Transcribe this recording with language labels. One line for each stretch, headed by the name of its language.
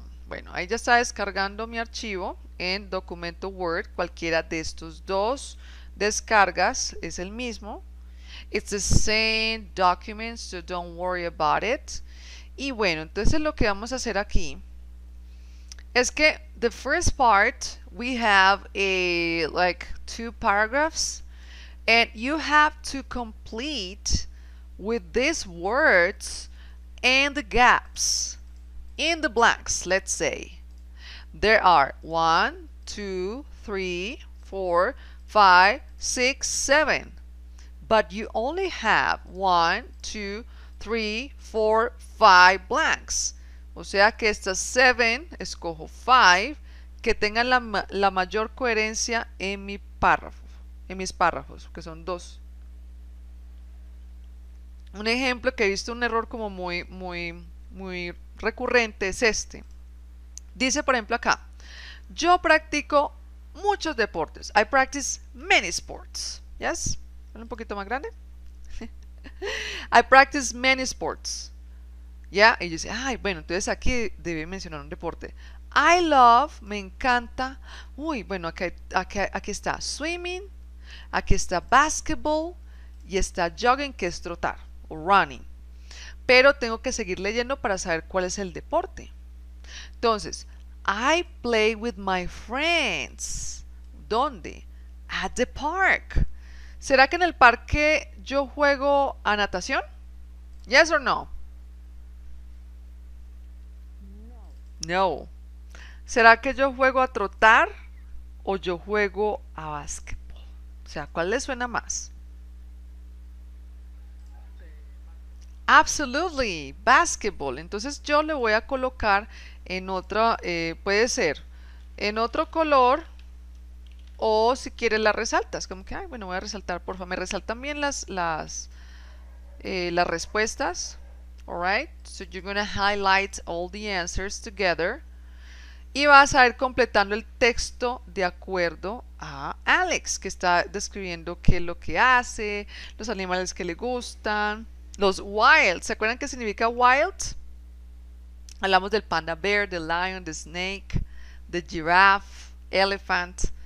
Spanish: Bueno, ahí ya está descargando mi archivo en documento Word, cualquiera de estos dos descargas es el mismo.
English: It's the same document, so don't worry about it.
Spanish: Y bueno, entonces lo que vamos a hacer aquí es que
English: the first part we have a like two paragraphs and you have to complete with these words and the gaps in the blanks. Let's say there are one, two, three, four, five, six, seven. But you only have one, two, three, four, five blanks.
Spanish: O sea que estas seven, escojo five, que tengan la mayor coherencia en mi párrafo, en mis párrafos, que son dos. Un ejemplo que he visto un error como muy, muy, muy recurrente es este. Dice, por ejemplo, acá, yo practico muchos deportes.
English: I practice many sports.
Spanish: ¿Yes? Un poquito más grande.
English: I practice many sports. ¿Ya?
Spanish: Y yo dice, ay, bueno, entonces aquí debe mencionar un deporte.
English: I love,
Spanish: me encanta. Uy, bueno, aquí está swimming, aquí está basketball y está jogging, que es trotar o running. Pero tengo que seguir leyendo para saber cuál es el deporte.
English: Entonces, I play with my friends. ¿Dónde? At the park.
Spanish: ¿Será que en el parque yo juego a natación?
English: ¿Yes or no?
Spanish: No. ¿Será que yo juego a trotar o yo juego a básquetbol? O sea, ¿cuál le suena más? Absolutely, básquetbol. Entonces yo le voy a colocar en otra, puede ser en otro color. O si quieres las resaltas, como que, ay, bueno, voy a resaltar, porfa, me resaltan bien las respuestas.
English: Alright, so you're gonna highlight all the answers together.
Spanish: Y vas a ir completando el texto de acuerdo a Alex, que está describiendo qué es lo que hace, los animales que le gustan, los wild. ¿Se acuerdan qué significa wild? Hablamos del panda bear, del lion, del snake, del giraffe, elephant.